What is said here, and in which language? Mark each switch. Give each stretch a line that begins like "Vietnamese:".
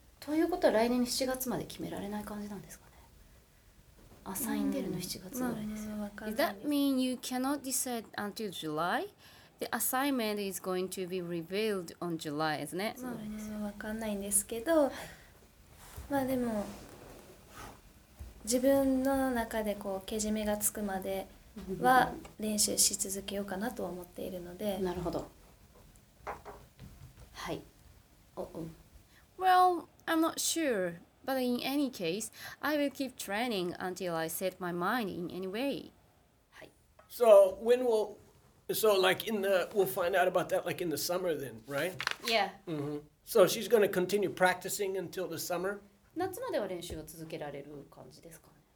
Japanese: ということは来年7月まで決められない感じなんですかね。アサイン出るの7月ぐらいですよ。まあ、分かんないです。
English: That mean you cannot decide until July? The assignment is going to be revealed on July, isn't it?
Japanese: そうですね。分かんないんですけど、まあでも自分の中でこうけじめがつくまでは練習し続けようかなと思っているのでなるほど。はい。
English: Well, I'm not sure, but in any case, I will keep training until I set my mind in any way.
Japanese: はい。
English: So, when will... So, like, in the... We'll find out about that, like, in the summer then, right? Yeah. Mm-hmm. So, she's going to continue practicing until the summer?
Japanese: 夏までは練習を続けられる感じですかね。